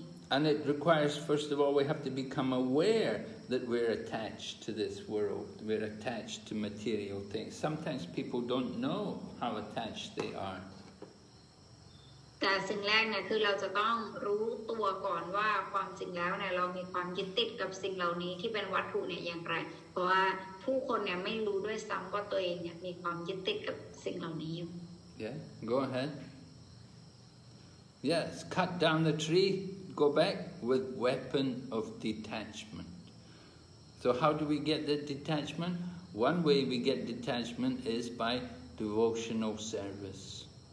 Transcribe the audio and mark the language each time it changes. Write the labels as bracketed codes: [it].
[en] And it requires, first of all, we have to become aware that we're attached to this world. We're attached to material things. Sometimes people don't know how attached they are. [th] แต่สิ่งแรกเนี่ยคือเราจะต้องรู้ตัวก่อนว่าความจริงแล้วเนี่ยเรามีความยึดติดกับสิ่งเหล่านี้ที่เป็นวัตถุเนี่ยอย่างไรเพราะว่าผู้คนเนี่ยไม่รู้ด้วยซ้ำว่าตัวเองเนี่ยมีความยึดติดกับสิ่งเหล่านี้อยู่ [en] Yeah, go ahead. Yes, cut down the tree, go back with weapon of detachment. So how do we get the detachment? One way we get detachment is by devotional service.